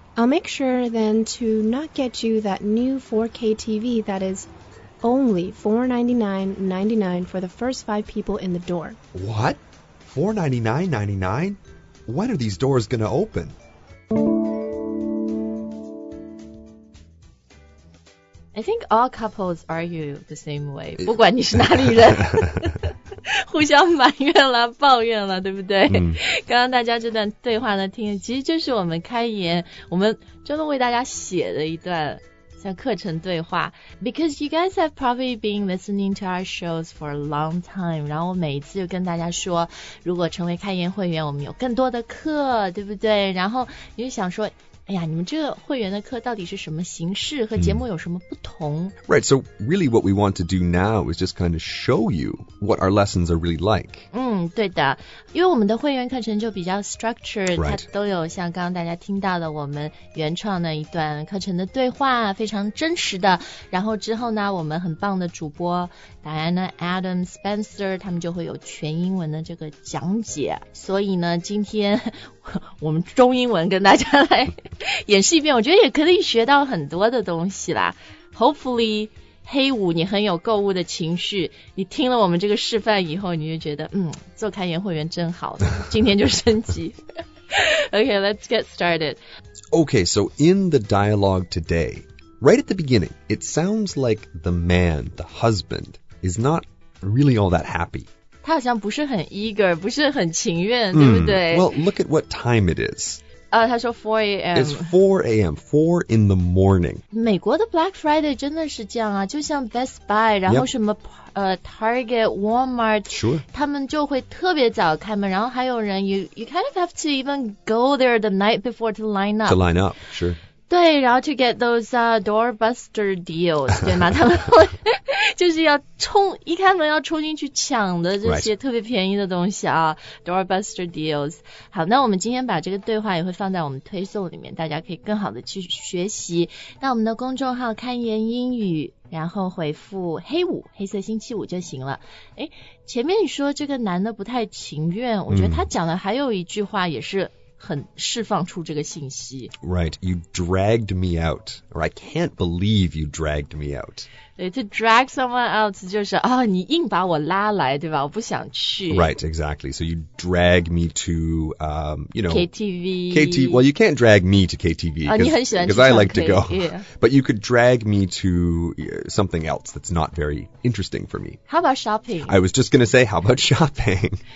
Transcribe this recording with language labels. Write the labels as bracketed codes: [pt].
[en] I'll make sure then to not get you that new 4K TV that is only $499.99 for the first five people in the door. What? $499.99? When are these doors gonna open? I think all couples argue the same way. [zh] 不管你是哪里人，互相埋怨啦，抱怨啦，对不对？嗯。刚刚大家这段对话呢，听的其实就是我们开言，我们专门为大家写的一段像课程对话。 [en] Because you guys have probably been listening to our shows for a long time. [zh] 然后我每一次就跟大家说，如果成为开言会员，我们有更多的课，对不对？然后你就想说，哎呀，你们这个会员的课到底是什么形式，和节目有什么不同？ [en] Right, so really what we want to do now is just kind of show you what our lessons are really like. [zh] 嗯，对的，因为我们的会员课程就比较 structured,、 [en] right. [zh] 它都有像刚刚大家听到的我们原创的一段课程的对话，非常真实的。然后之后呢，我们很棒的主播 Diana, Adam, Spencer, 他们就会有全英文的这个讲解。所以呢，今天我们中英文跟大家来演示一遍，我觉得也可以学到很多的东西啦。 Hopefully 黑五你很有购物的情绪，你听了我们这个示范以后，你就觉得做开言会员真好，今天就升级。 [en] OK, let's get started. OK, so in the dialogue today, right at the beginning, it sounds like the man, the husband, is not really all that happy. [zh] 他好像不是很 [en] eager, [zh] 不是很情愿，对不对？ [en] Well, look at what time it is. [zh] 他说4 a.m. [en] It's 4 a.m. 4 in the morning. [zh] 美国的 Black Friday 真的是这样啊，就像 Best Buy, 然后什么、 [en] yep. Target, Walmart, sure. [zh] 他们就会特别早开门，然后还有人 [en] you kind of have to even go there the night before to line up. To line up, sure. [zh] 对，然后 [en] to get those doorbuster deals, [zh] 对吗？他们就是要冲，一开门要冲进去抢的这些特别便宜的东西啊、doorbuster deals. 好，那我们今天把这个对话也会放在我们推送里面，大家可以更好的去学习。那我们的公众号开言英语，然后回复黑五，黑色星期五就行了。诶，前面你说这个男的不太情愿，我觉得他讲的还有一句话也是很释放出这个信息。 [en] Right, you dragged me out. Or I can't believe you dragged me out. [zh] 对， [en] to drag someone out [zh] 就是哦，你硬把我拉来，对吧？我不想去。 [en] Right, exactly. So you drag me to, you know, KTV. KTV. Well, you can't drag me to KTV. [zh] 哦，你很喜欢去。 [en] Because I like to go.、 Yeah. But you could drag me to something else that's not very interesting for me. How about shopping? I was just going to say, how about shopping?